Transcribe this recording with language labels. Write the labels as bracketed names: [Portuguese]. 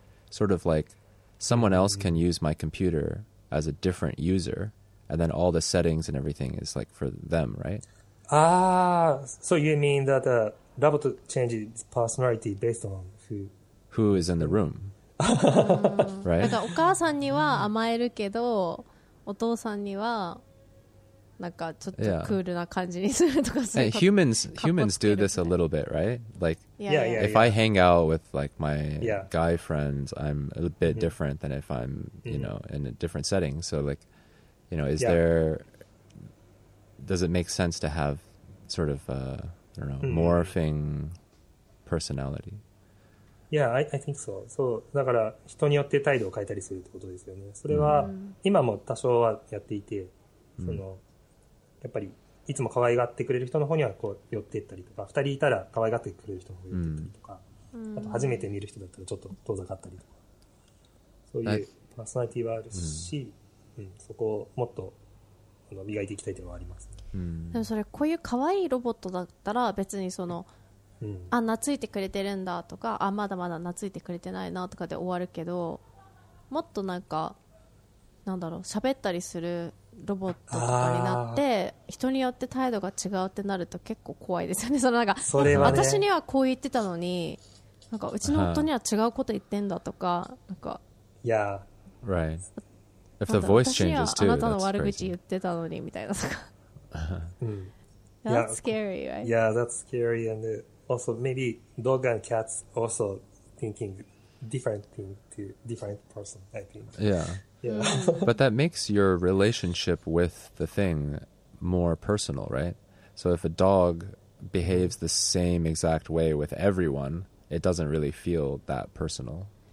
[English] Sort of like someone else、mm-hmm. can use my computer as a different user, and then all the settings and everything is like for them, right? Ah, so you mean that the robot changes its personality based on who is in the room, right? [Japanese] なんかお母さんには甘えるけど、お父さんにはなんかちょっとクールな感じにするとかする、 [English] yeah. humans do this a little bit, right? Like, yeah, yeah, if yeah. I hang out with like my、yeah. guy friends, I'm a bit、mm-hmm. different than if I'm, you know, in a different setting. So like, you know, is、yeah. there, does it make sense to have sort of a, I don't know,、mm-hmm. morphing personality? Yeah, I think so. [Japanese] So, だから人によって態度を変えたりするってことですよね。それは今も多少はやっていて、mm-hmm. そのやっぱりいつも可愛がってくれる人の方にはこう寄っていったりとか、二人いたら可愛がってくれる人の方に寄っていったりとか、うん、あと初めて見る人だったらちょっと遠ざかったりとか、そういうパーソナリティはあるし、うんうん、そこをもっとあの磨いていきたいというのはあります、うん、でもそれこういう可愛いロボットだったら別にその、うん、あ懐いてくれてるんだとか、あまだまだ懐いてくれてないなとかで終わるけど、もっとなんかなんだろう、喋ったりするロボットとかになって人によって態度が違うってなると結構怖いですよね。そのなんかそれはね、私にはこう言ってたのになんかうちの夫には違うこと言ってんだとか、なんか、 [English] yeah. right. If the voice changes too, [Japanese] あなたの悪口言ってたのにみたいなとか、 [English] yeah, that's scary, right? Yeah, that's scary. And also maybe dog and cats also thinking different thing to different person, I think. Yeah. Yeah. But that makes your relationship with the thing more personal, right? So if a dog behaves the same exact way with everyone, it doesn't really feel that personal.